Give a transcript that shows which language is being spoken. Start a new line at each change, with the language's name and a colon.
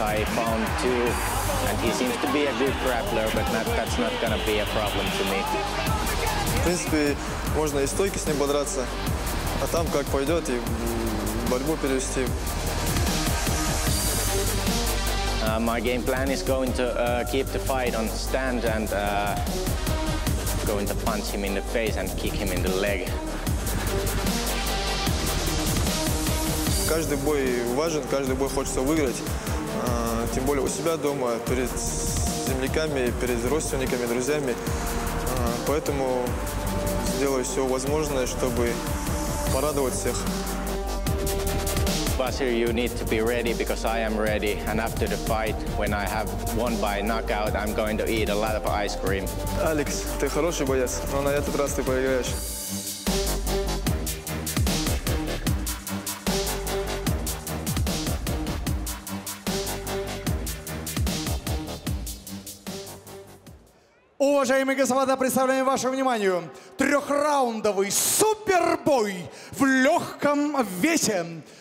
English: I found two, and he seems to be a good grappler, but that's not gonna be a problem to me.
Russian: В принципе, можно и стойки с ним подраться, а там как пойдет и борьбу перевести.
English: My game plan is going to keep the fight on stand and going to punch him in the face and kick him in the leg.
Russian: Каждый бой важен, каждый бой хочется выиграть. Тем более у себя дома, перед земляками, перед родственниками, друзьями. Поэтому сделаю все возможное, чтобы порадовать всех.
English: Bashir, you need to be ready, because I am ready. And after the fight, when I have won by knockout, I'm going to eat a lot of ice cream.
Russian: Алекс, ты хороший боец, но на этот раз ты проиграешь. Уважаемые господа, представляем ваше внимание трехраундовый супербой в легком весе.